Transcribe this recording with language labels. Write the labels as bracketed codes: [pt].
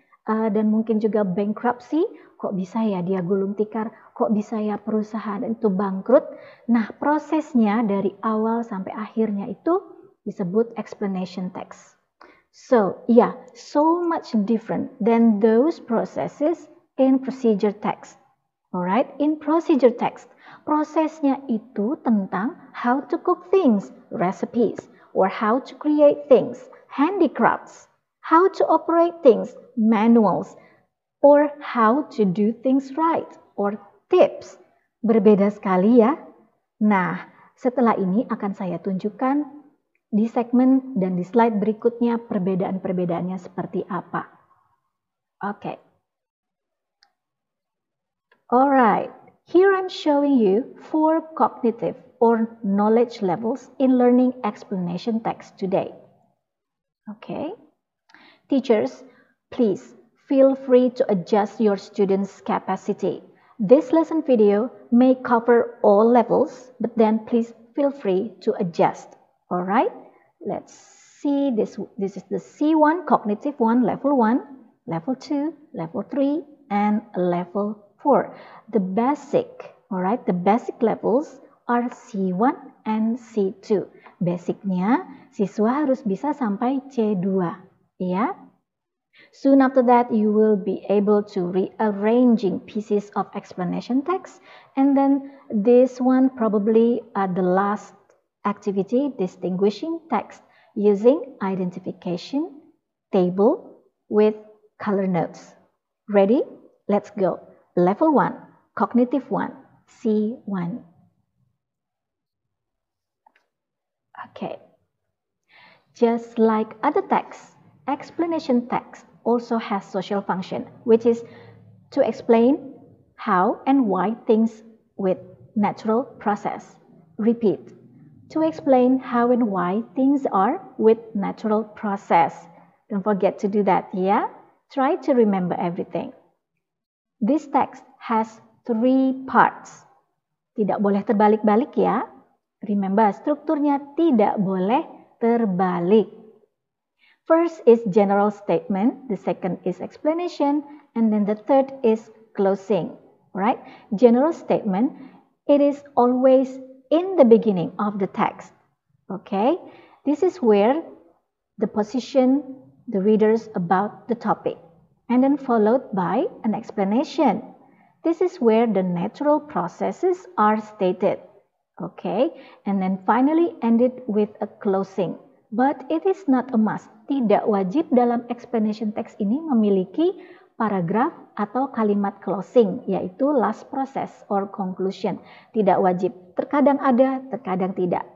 [id] dan mungkin juga bankruptcy. Kok bisa ya dia gulung tikar? Kok bisa ya perusahaan itu bangkrut? Nah, prosesnya dari awal sampai akhirnya itu disebut explanation text. [en] So, yeah, so much different than those processes in procedure text. Alright, in procedure text, [id] prosesnya itu tentang [en] how to cook things, recipes, or how to create things, handicrafts, how to operate things, manuals, or how to do things right, or tips. [id] Berbeda sekali ya. Nah, setelah ini akan saya tunjukkan di segmen dan di slide berikutnya perbedaan-perbedaannya seperti apa. Oke. [en] Alright, here I'm showing you four cognitive or knowledge levels in learning explanation text today. Okay. Teachers, please feel free to adjust your students' capacity. This lesson video may cover all levels, but then please feel free to adjust. Alright, let's see this. This is the C1, cognitive one, level 1, level 2, level 3, and level 4. The basic, alright, the basic levels are C1 and C2. [id] Basicnya, siswa harus bisa sampai C2, ya. [en] Soon after that, you will be able to rearranging pieces of explanation text. And then this one probably the last activity, distinguishing text using identification table with color notes. Ready? Let's go. Level 1, cognitive 1, C1. Okay. Just like other texts, explanation text also has social function, which is to explain how and why things with natural process. Repeat. To explain how and why things are with natural process. Don't forget to do that, yeah? Try to remember everything. This text has 3 parts. [id] Tidak boleh terbalik-balik ya. Remember, strukturnya tidak boleh terbalik. [en] First is general statement, the second is explanation, and then the third is closing, right? General statement, it is always in the beginning of the text, okay? This is where the position the readers about the topic, and then followed by an explanation. This is where the natural processes are stated, okay? And then finally ended with a closing. But it is not a must. [id] Tidak wajib dalam explanation text ini memiliki paragraf atau kalimat closing, yaitu [en] last process or conclusion. [id] Tidak wajib. Terkadang ada, terkadang tidak.